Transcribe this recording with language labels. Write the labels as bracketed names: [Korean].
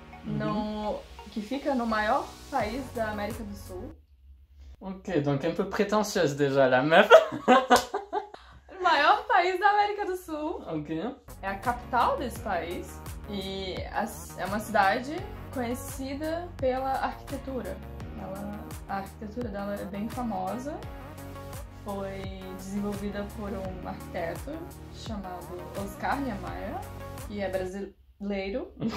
[Portuguese] No, qui fica no maior país da América do Sul. [French] Ok, donc un peu prétentieuse déjà la meuf. [Portuguese] Le maior país da América do Sul. Ok. É a capital desse país e é uma cidade conhecida pela arquitetura. A arquitetura dela é bem famosa. Foi desenvolvida por um arquiteto chamado Oscar Niemeyer e é brasileiro.